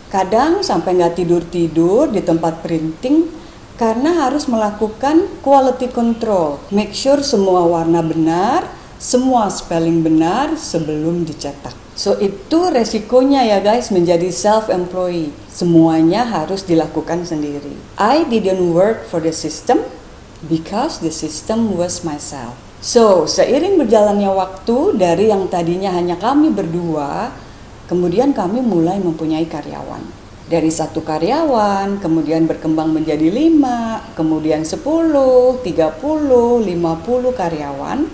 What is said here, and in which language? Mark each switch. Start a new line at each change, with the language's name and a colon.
Indonesian: Kadang sampai nggak tidur-tidur di tempat printing, karena harus melakukan quality control.
English: Make sure
Indonesian: semua warna benar, semua spelling benar sebelum dicetak. So itu resikonya ya guys menjadi self-employed. Semuanya harus dilakukan sendiri.
English: I didn't work for the system because the system was myself.
Indonesian: So seiring berjalannya waktu dari yang tadinya hanya kami berdua, kemudian kami mulai mempunyai karyawan. Dari satu karyawan, kemudian berkembang menjadi 5, kemudian 10, 30, 50 karyawan.